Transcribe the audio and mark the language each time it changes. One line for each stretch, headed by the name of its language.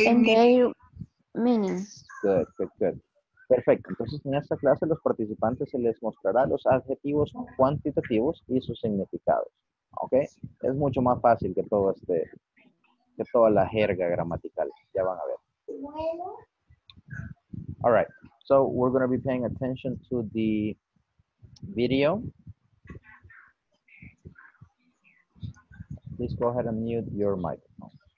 English: participants will be exposed to quantifiers and their meaning. Good, good, good. Perfecto.
Spanish: Entonces, en esta clase, los participantes se les mostrará los adjetivos cuantitativos y sus significados. ¿Ok? Es mucho más fácil que todo este, que toda la jerga gramatical. Ya van a ver. Bueno.
English: All right. So, we're going to be paying attention to the video. Please go ahead and mute your microphone.